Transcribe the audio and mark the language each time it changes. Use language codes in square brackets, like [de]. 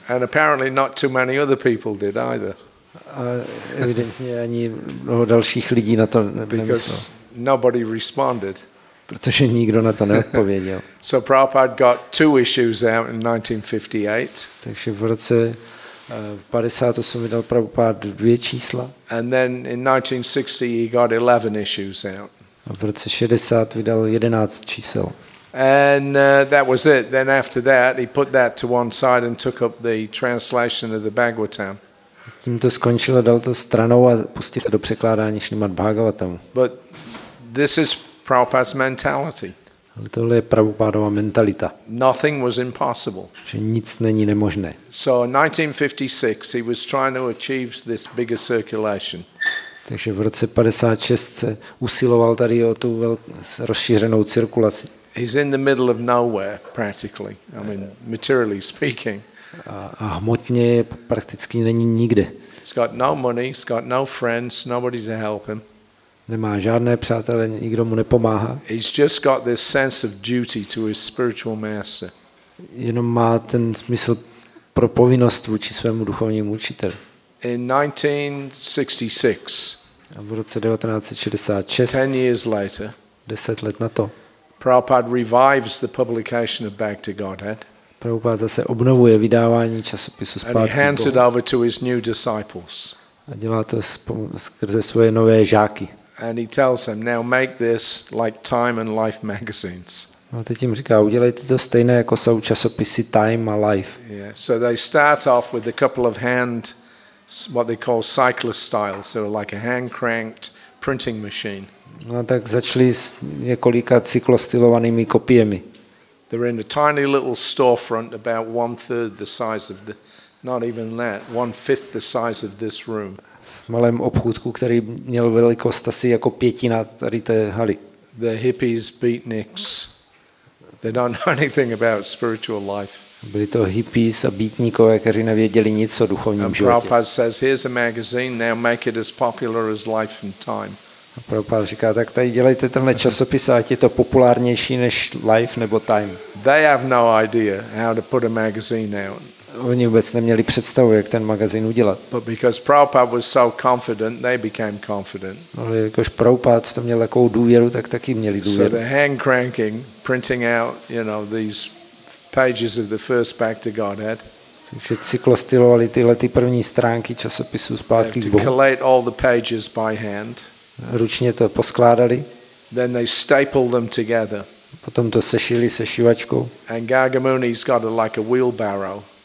[en] And apparently not too many other people did either. [cs] A evidentně ani mnoho dalších lidí na to nemyslel. [en] Because nobody responded. [cs] Protože nikdo na to neodpověděl. [en] So Prabhupada got two issues out in 1958. [cs] Takže v roce 58 vydal Prabhupada dvě čísla. [en] And then in 1960 he got 11 issues out. [cs] A v roce 60 vydal 11 čísel. [en] And that was it. Then after that he put that to one side and took up the translation of the Bhagavatam. [cs] Tím to skončilo, dal to stranou a pustil se do překládání Srimad Bhagavatam. [en] But this is Prabhupada's mentality. [cs] Ale tohle je Prabhupádova mentalita. [en] Nothing was impossible. [cs] Že nic není nemožné. [en] So in 1956 he was trying to achieve this bigger circulation. [cs] Takže v roce 56 se usiloval tady o tu rozšířenou cirkulaci. [en] He's in the middle of nowhere practically. I mean materially speaking. [cs] A hmotně prakticky není nikde. [en] He's got no money, he's got no friends, nobody to help him. [cs] Nemá žádné přátelé, nikdo mu nepomáhá. [en] He's just got this sense of duty to his spiritual master. [cs] Jenom má ten smysl pro povinnost vůči svému duchovnímu učiteli. [en] In 1966. [cs] V roce 1966. [en] 10 years later. [cs] 10 let na to. [en] Prabhupada revives the publication of Back to Godhead. [cs] Prabhupada zase obnovuje vydávání časopisu Zpátky k Bohu. [en] And he hands it over to his new disciples. [cs] A dělá to skrze svoje nové žáky. [en] And he tells them, now make this like Time and Life magazines. [cs] A teď jim říká, udělejte to stejné jako jsou časopisy Time a Life. [en] Yeah. So they start off with a couple of hand, what they call cyclist style, so like a hand cranked printing machine. [cs] No a tak začali s několika cyklostylovanými kopiemi. [en] They're in a tiny little storefront about one third the size of the, not even that, one fifth the size of this room. [cs] V malém obchůdku, který měl velikost asi jako pětina tady té haly. [en] The hippies, beatniks, they don't know anything about spiritual life. [cs] Byli to hippies a beatníkové, kteří nevěděli nic o duchovním životě. [en] And Prabhupada says, here's a magazine, now make it as popular as Life and Time. [cs] A Prabhupada říká, tak tady dělejte tenhle časopis, ať je to populárnější než Life nebo Time. [en] They have no idea how to put a magazine out. [cs] oni vůbec neměli představu, jak ten magazín udělat. [en] But because Prabhupada was so confident, they became confident. [cs] Ale jakož Prabhupada to měl takovou důvěru, tak taky měli důvěru. [en] So the hand cranking, printing out, you know, these pages of the first back to Godhead. [cs] Takže cyklostylovali tyhle ty první stránky časopisu zpátky k Bohu. [en] Collate all the pages by hand. [cs] Ručně to poskládali. [en] Then they staple them together. [cs] Potom to sešili sešivačkou. [en] And Gargamuni's got a, like a wheelbarrow.